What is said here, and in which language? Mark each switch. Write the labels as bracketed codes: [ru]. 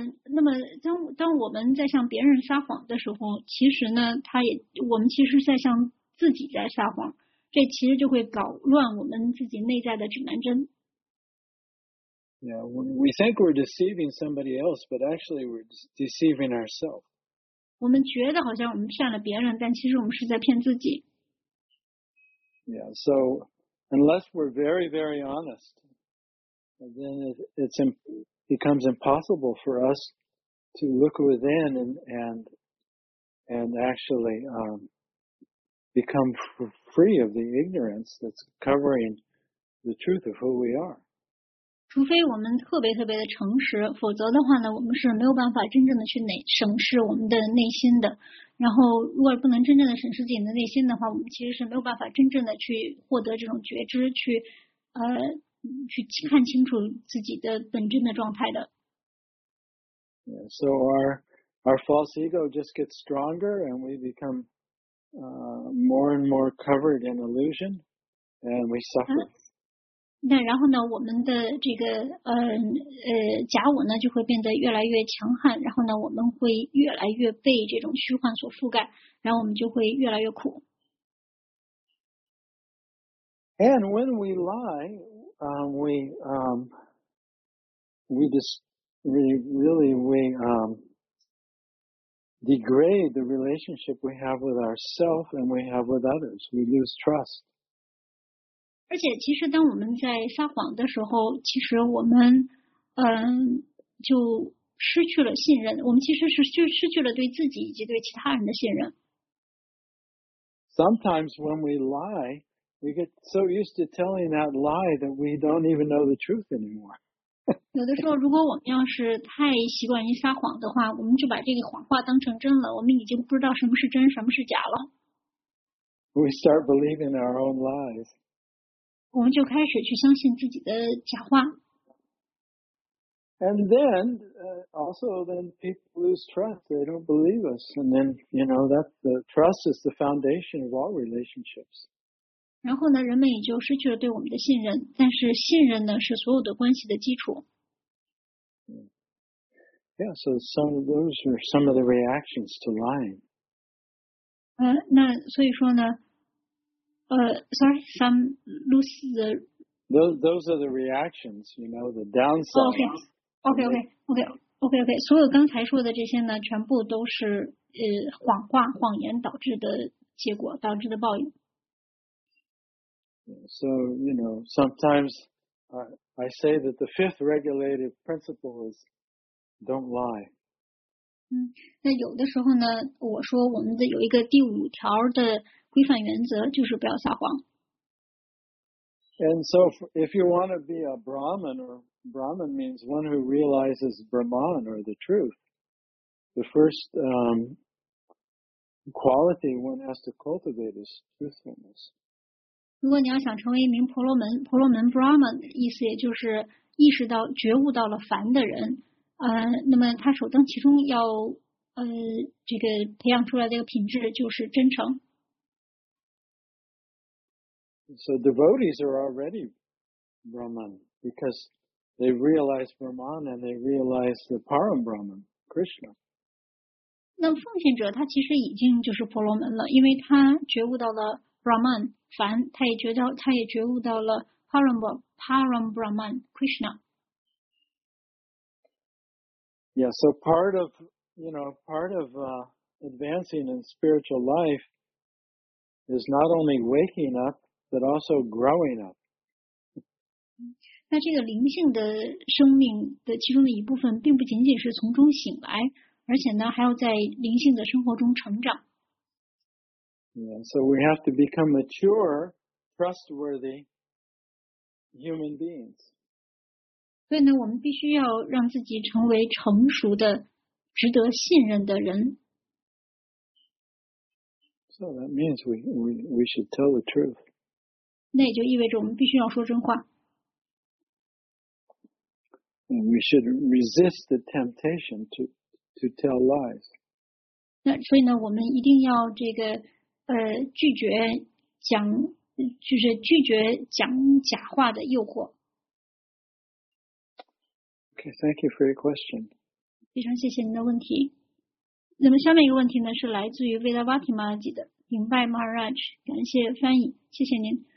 [zh] 那么当我们在向别人撒谎的时候其实呢他也我们其实在向自己在撒谎这其实就会搞乱我们自己内在的指南针。 [en] Yeah, we think we're deceiving somebody else, but actually we're deceiving ourselves. [zh] 我们觉得好像我们骗了别人但其实我们是在骗自己。 [en] Yeah, so unless we're very, very honest, then it's important. Becomes impossible for us to look within and actually become free of the ignorance that's covering the truth of who we are. [zh] 除非我们特别特别的诚实，否则的话呢，我们是没有办法真正的去审视我们的内心的。然后，如果不能真正的审视自己的内心的话，我们其实是没有办法真正的去获得这种觉知，去看清楚自己的本真的状态的。 [en] Yeah, so our false ego just gets stronger and we become more and more covered in illusion and we suffer. [zh] 那然后呢我们的这个假我呢就会变得越来越强悍然后呢我们会越来越被这种虚幻所覆盖然后我们就会越来越苦。 [en] And when we lie,we degrade the relationship we have with ourselves and we have with others. We lose trust. [zh] 而且其实当我们在撒谎的时候其实我们就失去了信任我们其实是失去了对自己以及对其他人的信任。 [en] Sometimes when we lie,We get so used to telling that lie that we don't even know the truth anymore. [zh] 有的时候，如果我们要是太习惯于撒谎的话，我们就把这个谎话当成真了。我们已经不知道什么是真，什么是假了。 [en] We start believing our own lies. [zh] 我们就开始去相信自己的假话。 [en] And then, also, then people lose trust. They don't believe us. And then, you know, that's the trust is the foundation of all relationships. [zh] 然后呢，人们也就失去了对我们的信任。但是信任呢，是所有的关系的基础。 [en] Yeah, so some of those are some of the reactions to lying. [zh] 那所以说呢， [en] some lose the. Those are the reactions, you know, the downside. Okay. [zh] 所有刚才说的这些呢，全部都是谎话、谎言导致的结果，导致的报应。 [en] So, you know, sometimes I say that the fifth regulative principle is don't lie. [zh] 那有的时候呢，我说我们的有一个第五条的规范原则就是不要撒谎。 [en] And so if you want to be a Brahman, or Brahman means one who realizes Brahman or the truth, the first quality one has to cultivate is truthfulness. [zh] 如果你要想成为一名婆罗门，婆罗门 Brahman 意思也就是意识到觉悟到了凡的人，那么他首当其冲要这个培养出来的一个品质就是真诚。 [en] So devotees are already Brahman because they realize Brahman and they realize the Param Brahman, Krishna. [zh] 那奉献者他其实已经就是婆罗门了，因为他觉悟到了 Brahman, 凡，他也觉悟到了 Param Brahman, Krishna. [en] Yeah, so part of advancing in spiritual life is not only waking up,but also growing up. [zh] 那这个灵性的生命的其中的一部分并不仅仅是从中醒来，而且呢还要在灵性的生活中成长。 [en] Yeah, so we have to become mature, trustworthy human beings. [zh] 所以呢我们必须要让自己成为成熟的值得信任的人。 [en] So that means we should tell the truth. [zh] 那也就意味着我们必须要说真话。 [en] We should resist the temptation to tell lies. [zh] 那所以呢，我们一定要这个拒绝讲假话的诱惑。 [en] Okay, thank you for your question. [zh] 非常谢谢您的问题。那么下面一个问题呢，是来自于 Vedavati Maharaj 的明白 Maharaj， 感谢翻译，谢谢您。